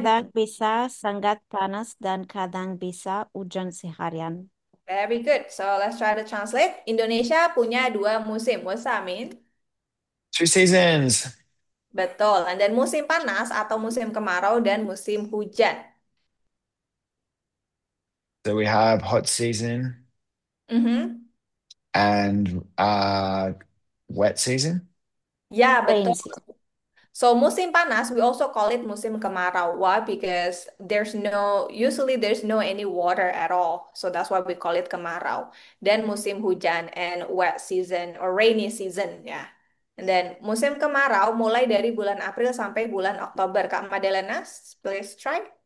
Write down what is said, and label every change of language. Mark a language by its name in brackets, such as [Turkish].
[Indonesian] Kadang bisa sangat panas dan kadang bisa hujan seharian. [English] very good. So let's try to translate. [Indonesian] Indonesia punya dua musim. [English] What's that mean? Two seasons. [Indonesian] Betul. [English] And then [Indonesian] musim panas atau musim kemarau dan musim hujan. [English] So we have hot season and wet season. Ya, yeah, Rain season. So [Indonesian] musim panas [English] we also call it [Indonesian] musim kemarau. [English] Why? Because usually there's no any water at all. So that's why we call it kemarau. [Indonesian] Dan musim hujan [English] and wet season or rainy season, ya. Yeah. And then [Indonesian] musim kemarau mulai dari bulan April sampai bulan Oktober. [English] Kak Madalena, please try.